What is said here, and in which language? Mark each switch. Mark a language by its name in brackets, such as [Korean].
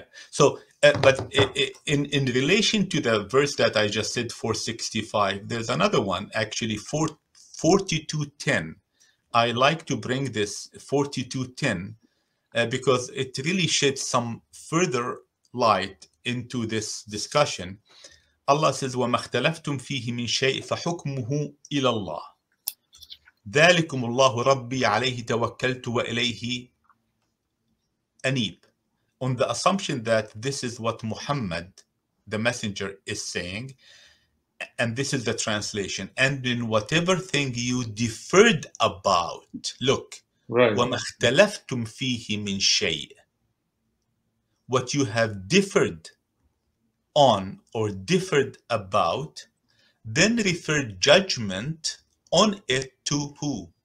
[English] So, but in relation to the verse that I just said, 465, there's another one, actually, 4210. I like to bring this 4210 because it really sheds some further light into this discussion. Allah says, [Arabic] وَمَا اخْتَلَفْتُمْ فِيهِ مِنْ شَيْءٍ فَحُكْمُهُ إِلَى اللَّهِ ذَلِكُمُ اللَّهُ رَبِّي عَلَيْهِ تَوَكَّلْتُ وَإِلَيْهِ أَنِيب. [English] On the assumption that this is what Muhammad, the messenger, is saying, and this is the translation, and in whatever thing you differed about, look, right. [Arabic] وَمَا اخْتَلَفْتُمْ فِيهِ مِنْ شَيْءٍ, [English] what you have differed on or differed about, then refer judgment on it to who?